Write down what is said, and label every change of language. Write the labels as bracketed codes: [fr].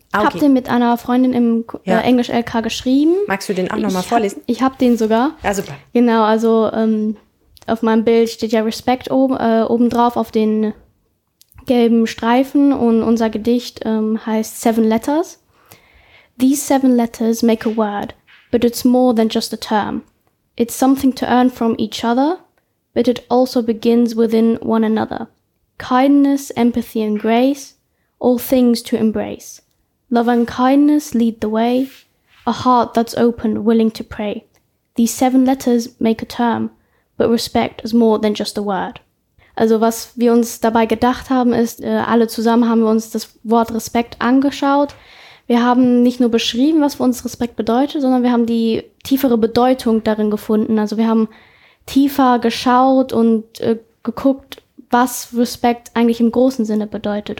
[de] Ah, okay. Ich habe den mit einer Freundin im Englisch-LK geschrieben. Magst du den auch nochmal vorlesen? Ich habe den sogar. Ja, super. Genau, also auf meinem Bild steht ja Respekt oben drauf auf den gelben Streifen und unser Gedicht heißt Seven Letters. [en] These seven letters make a word, but it's more than just a term. It's something to earn from each other, but it also begins within one another. Kindness, empathy and grace, all things to embrace. Love and kindness lead the way, a heart that's open, willing to pray. These seven letters make a term, but respect is more than just a word. [de] Also was wir uns dabei gedacht haben, ist, alle zusammen haben wir uns das Wort Respekt angeschaut. Wir haben nicht nur beschrieben, was für uns Respekt bedeutet, sondern wir haben die tiefere Bedeutung darin gefunden. Also wir haben tiefer geschaut und geguckt, was Respekt eigentlich im großen Sinne bedeutet.